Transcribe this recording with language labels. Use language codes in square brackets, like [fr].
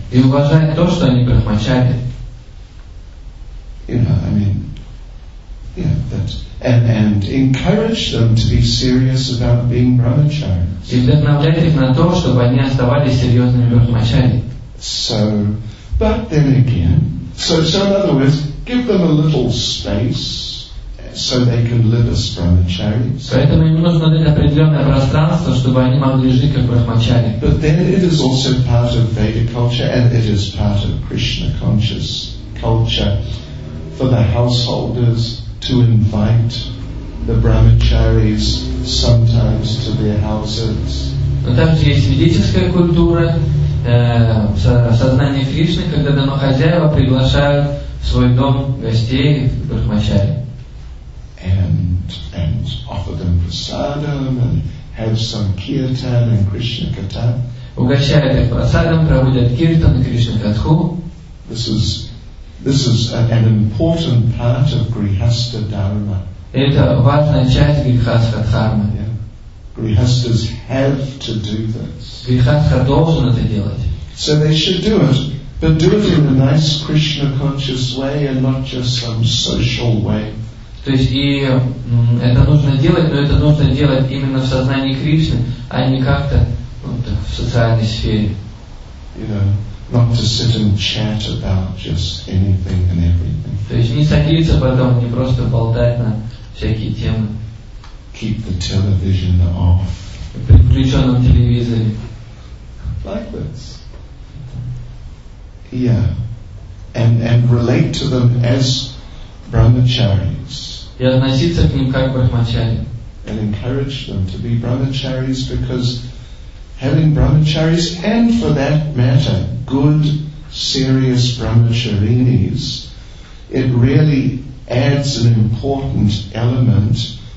[ru] И уважать то, что они брахмачари. [en] You know, I mean, yeah, that and encourage them to be serious about being brahmacharis. [ru] И вдохновлять их на то, чтобы они оставались серьезными брахмачари. [en] So, but then again, so in other words, give them a little space so they can live as brahmacharis. [ru] Поэтому им нужно дать определенное пространство, чтобы они могли жить как брахмачари. [en] But then it is also part of Vedic culture and it is part of Krishna conscious culture for the householders to invite the brahmacharis sometimes to their houses. [ru] Но также есть ведическая культура сознания Кришны, когда домохозяева приглашают в свой дом гостей брахмачари. [en] And offer them prasadam and have some kirtan and Krishna katha. [ru] Угощают их прасадом, проводят киртан и Кришна катху. [en] This is an important part of grihastha dharma. [ru] Это важная часть грихастха дхармы. [en] Yeah. Grihasthas have to do this. [ru] Грихастха должен это делать. [en] So they should do it, but do it in a nice Krishna conscious way and not just some social way. [ru] То есть и это нужно делать, но это нужно делать именно в сознании Кришны, а не как-то вот, в социальной сфере. [en] You know, not to sit and chat about just anything and everything. [ru] То есть не садиться потом, не просто болтать на всякие темы. [en] Keep the television off. [ru] При включенном телевизоре. [en] Like this. Yeah. And relate to them as brahmacharis. [ru] И относиться к ним как брахмачари. [en] And encourage them to be brahmacharis because having brahmacharis and for that matter good serious brahmacharinis, it really adds an important element